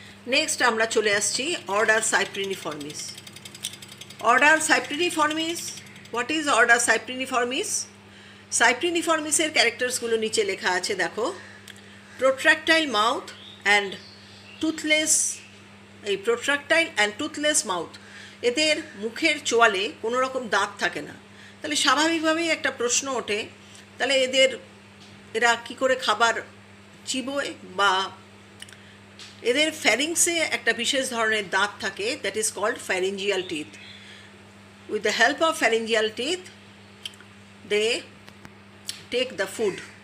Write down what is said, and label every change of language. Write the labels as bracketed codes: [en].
[en] Next, [bn] আমরা চলে আসছি [en] order cypriniformis. Order cypriniformis, what is order cypriniformis? [bn] Cypriniformis এর ক্যারেক্টার্সগুলো নিচে লেখা আছে, দেখো। [en] Protractile mouth and toothless, এই protractile and toothless mouth. [bn] এদের মুখের চোয়ালে কোনো রকম দাঁত থাকে না। তাহলে স্বাভাবিকভাবেই একটা প্রশ্ন ওঠে, তাহলে এরা কী করে খাবার চিবোয়? বা এদের ফ্যারিংসে একটা বিশেষ ধরনের দাঁত থাকে, [en] That is called pharyngeal teeth. With the help of pharyngeal teeth they take the food.